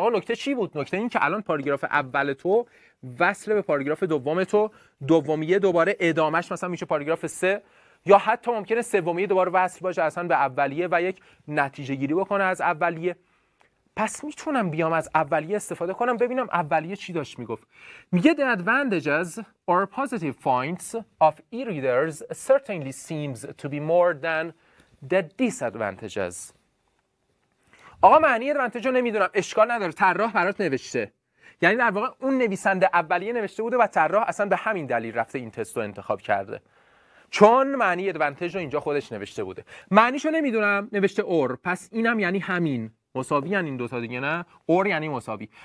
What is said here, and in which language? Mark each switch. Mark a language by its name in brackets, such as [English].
[Persian] آه، نکته چی بود؟ نکته این که الان پاراگراف اول تو وصل به پاراگراف دوم تو، دومیه دوباره ادامش مثلا میشه پاراگراف سه، یا حتی ممکنه سومیه دوباره وصل باشه اصلا به اولیه و یک نتیجه گیری بکنه از اولیه. پس میتونم بیام از اولیه استفاده کنم، ببینم اولیه چی داشت میگفت. میگه [English] the advantages or positive points of e-readers certainly seems to be more than the disadvantages. [Persian] آقا معنی ادوانتج رو نمیدونم، اشکال نداره، طراح برات نوشته. یعنی در واقع اون نویسنده اولیه نوشته بوده و طراح اصلا به همین دلیل رفته این تست رو انتخاب کرده، چون معنی ادوانتج رو اینجا خودش نوشته بوده. معنیشو نمیدونم، نوشته اور، پس اینم یعنی همین، مساوی ان این دو تا دیگه، نه اور یعنی مساوی.